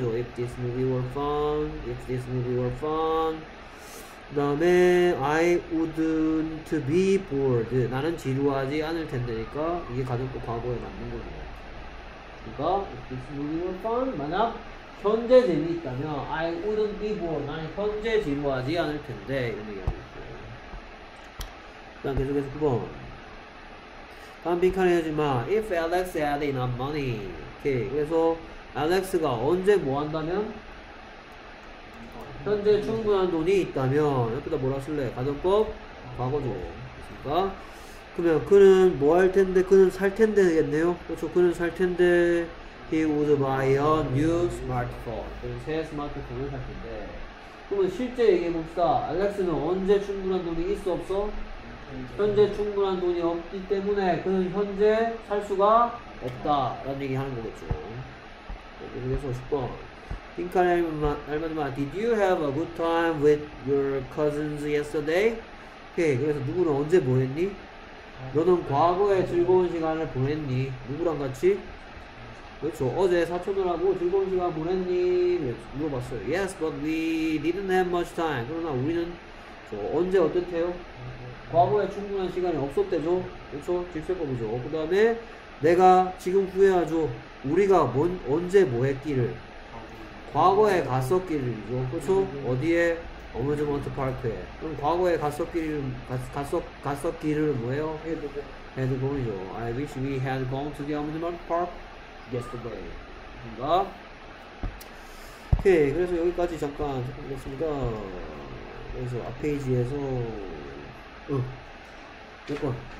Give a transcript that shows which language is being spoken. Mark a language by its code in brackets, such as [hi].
[en] So if this movie were fun, if this movie were fun. 다음에 I wouldn't be bored. [ko] 나는 지루하지 않을 텐데니까 이게 가장 또 과거에 맞는 거죠. [en] 그러니까 if this movie were fun, [ko] 만약 현재 재미있다면 [en] I wouldn't be bored. [ko] 나는 현재 지루하지 않을 텐데 이런 얘기하고 있어요. 그다음 계속해서 9번. 다음 빈칸을 해야지 마. [en] If Alex had enough money. [ko] 오케이. 그래서 Alex가 언제 뭐 한다면? 현재 충분한 돈이 있다면 옆에다 뭐라 쓸래? 가정법? 과거죠. 그러니까 그러면 그는 뭐 할 텐데 그는 살 텐데겠네요. 그렇죠. 그는 살 텐데 [en] he would buy a new smartphone. [ko] 그는 새 스마트폰을 살 텐데. 그러면 실제 얘기해 봅시다. 알렉스는 언제 충분한 돈이 있어 없어? 현재 충분한 돈이 없기 때문에 그는 현재 살 수가 없다라는 얘기 하는 거겠죠. 그래서 10번. 빈칸에 알맞지마. [en] Did you have a good time with your cousins yesterday? [ko] 오케이. 그래서 누구는 언제 뭐 했니? 너는 과거에 즐거운 시간을 보냈니? 누구랑 같이? 그렇죠. 어제 사촌들하고 즐거운 시간 보냈니? [en] 물어봤어요. Yes, but we didn't have much time. [ko] 그러나 우리는 언제 어땠대요? 과거에 충분한 시간이 없었대죠. 그렇죠. 질색법이죠. 그 다음에 내가 지금 후회하죠. 우리가 언제 뭐 했기를. 과거에 갔었길이죠. 그렇죠? 어디에? 어뮤즈먼트 파크에. 그럼 과거에 갔었길은 뭐예요? 헤드본이죠. [en] I wish we had gone to the amusement park yesterday. [ko] 그런가? 오케이. 그래서 여기까지 잠깐 보겠습니다. 그래서 앞페이지에서 몇 번?